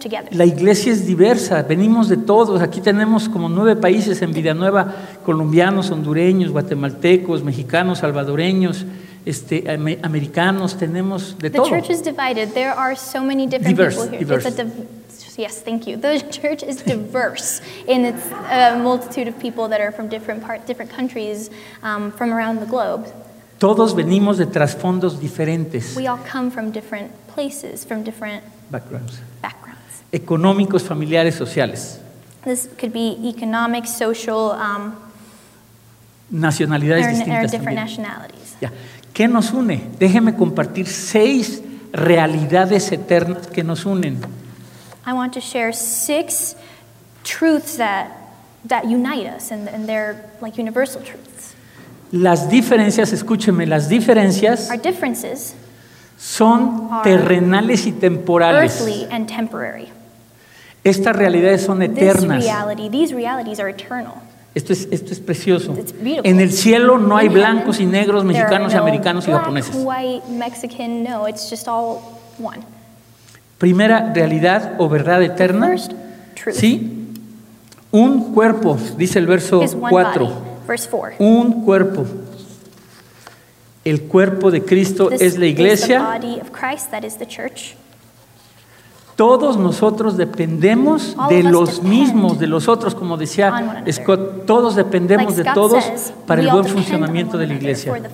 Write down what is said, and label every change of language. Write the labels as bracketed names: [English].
[Spanish] La iglesia es diversa, venimos de todos. Aquí tenemos como 9 países en Vida Nueva, colombianos, hondureños, guatemaltecos, mexicanos, salvadoreños, americanos, tenemos de [English] the [Spanish] todo. [English] The church is divided. There are so many different diverse, people here. Diverse. Yes, thank you. The church is diverse in its multitude of people that are from different countries, from around the globe. [Spanish] Todos venimos de trasfondos diferentes. [English] We all come from different places, from different backgrounds. [Spanish] Económicos, familiares, sociales. [English] This could be economic, social, [Spanish] nacionalidades distintas también. [English] Or different nationalities. [Spanish] Yeah. ¿Qué nos une? Déjeme compartir 6 realidades eternas que nos unen. [English] I want to share six truths that unite us, and they're like universal truths. [Spanish] Las diferencias, escúcheme, las diferencias [English] our differences [Spanish] son terrenales y temporales. [English] Earthly and temporary. [Spanish] Estas realidades son eternas. [English] This reality, these realities are eternal. [Spanish] Esto es precioso. [English] It's beautiful. [Spanish] En el cielo no hay blancos y negros, mexicanos y americanos y japoneses. [English] White, Mexican, no, it's just all one. [Spanish] Primera realidad o verdad eterna. [English] First truth. [Spanish] Sí. Un cuerpo, dice el verso 4. Un cuerpo. El cuerpo de Cristo es la iglesia. [English] This is the body of Christ, that is the church. [Spanish] Todos nosotros dependemos de los mismos, de los otros, como decía Scott, todos dependemos de todos para el buen funcionamiento de la iglesia.